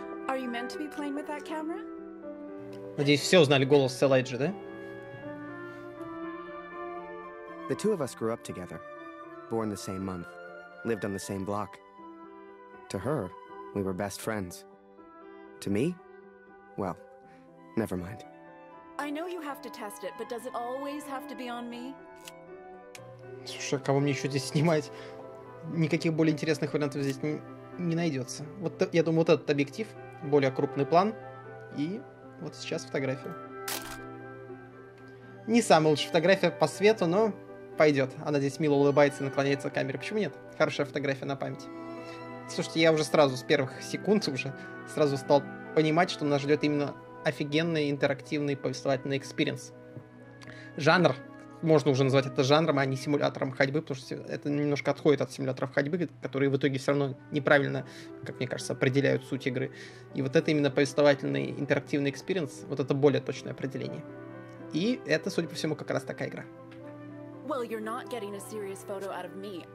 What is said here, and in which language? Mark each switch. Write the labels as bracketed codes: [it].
[en] Are you meant to be playing with that camera? [ru] Надеюсь, все узнали голос Элайджи, да? [en] The two of us grew up together, born the same month, lived on the same block. To her, we were best friends. To me? Well, never mind. I know you have to test it, but does it always have to be on me? [ru] Слушай, кого мне еще здесь снимать? Никаких более интересных вариантов здесь не найдется. Вот я думаю, вот этот объектив, более крупный план. И вот сейчас фотография. Не самая лучшая фотография по свету, но пойдет. Она здесь мило улыбается и наклоняется к камере. Почему нет? Хорошая фотография на память. Слушайте, я уже сразу с первых секунд уже сразу стал понимать, что нас ждет именно офигенный интерактивный повествовательный экспириенс. Жанр. Можно уже назвать это жанром, а не симулятором ходьбы, потому что это немножко отходит от симуляторов ходьбы, которые в итоге все равно неправильно, как мне кажется, определяют суть игры. И вот это именно повествовательный интерактивный экспириенс, вот это более точное определение. И это, судя по всему, как раз такая игра. [en] Well, you're not getting a serious photo out of me.